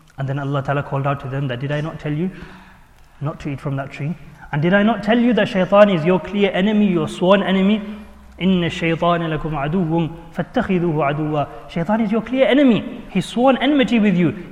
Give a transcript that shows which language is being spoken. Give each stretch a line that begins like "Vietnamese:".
English: And then Allah Ta'ala called out to them that, did I not tell you not to eat from that tree? And did I not tell you that shaitan is your clear enemy, your sworn enemy?
Arabic: إن الشيطان لكم عدو فاتخذوه عدوا.
English: Shaitan is your clear enemy. He's sworn enmity with you.